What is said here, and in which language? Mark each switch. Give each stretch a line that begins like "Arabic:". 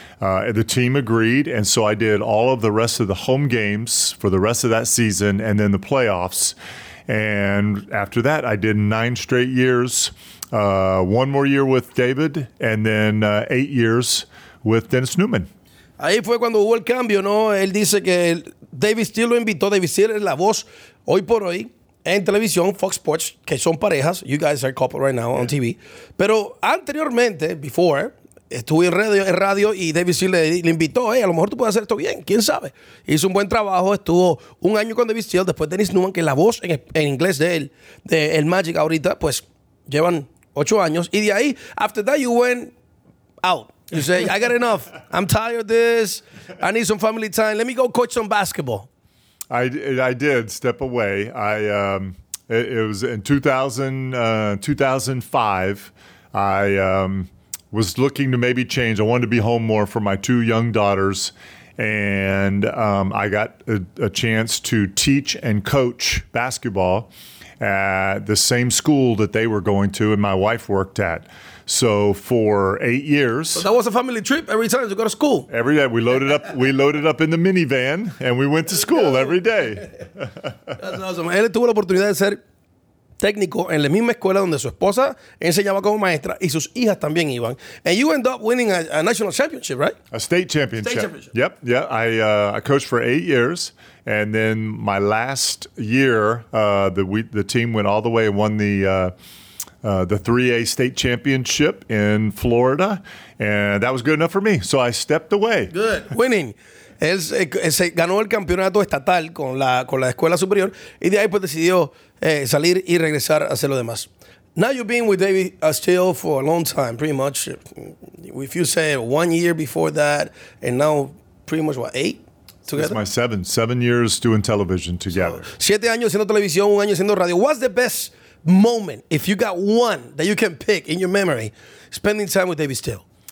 English: The team agreed. And so I did all of the rest of the home games for the rest of that season and then the playoffs. And after that, I did 9 straight years. One more year with David, and then 8 years with Dennis Newman.
Spanish: Ahí fue cuando hubo el cambio, ¿no? Él dice que David Steele lo invitó. David Steele es la voz hoy por hoy en televisión, Fox Sports, que son parejas.
English: You guys are a couple right now on TV.
Spanish: Pero anteriormente, before, estuve en radio y David Steele le invitó. A lo mejor tú puedes hacer esto bien, quién sabe. Hizo un buen trabajo, estuvo un año con David Steele. Después Dennis Newman, que es la voz en inglés de él, de el Magic ahorita, pues... Llevan 8 años. Y de ahí,
English: after that, you went out. You say, I got enough. I'm tired of this. I need some family time. Let me go coach some basketball. I did step away. It was in 2005. I was looking to maybe change. I wanted to be home more for my 2 young daughters. And I got a chance to teach and coach basketball at the same school that they were going to and my wife worked at. So for 8 years. So that was a family trip every time to go to school. Every day. We loaded up in the minivan and we went to school every day. That's awesome.
Spanish: Él tuvo la oportunidad de ser técnico en la misma escuela donde su esposa enseñaba como maestra y sus hijas también iban.
English: And you end up winning a national championship, right? A state championship. State championship. Yep. I coached for 8 years. And then my last year, the team went all the way and won the 3A state championship in Florida. And that was good enough for me. So I stepped away. Good. Winning.
Spanish: Él ganó el campeonato estatal con la escuela superior. Y de ahí pues decidió salir y regresar a hacer lo demás.
English: Now you've been with David Steele for a long time, pretty much. If you say 1 year before that, and now pretty much what, 8? It's my seven years doing television together.
Spanish: So, 7 años haciendo televisión, 1 año haciendo radio.
English: What's the best moment, if you got one, that you can pick in your memory, spending time with David Steele?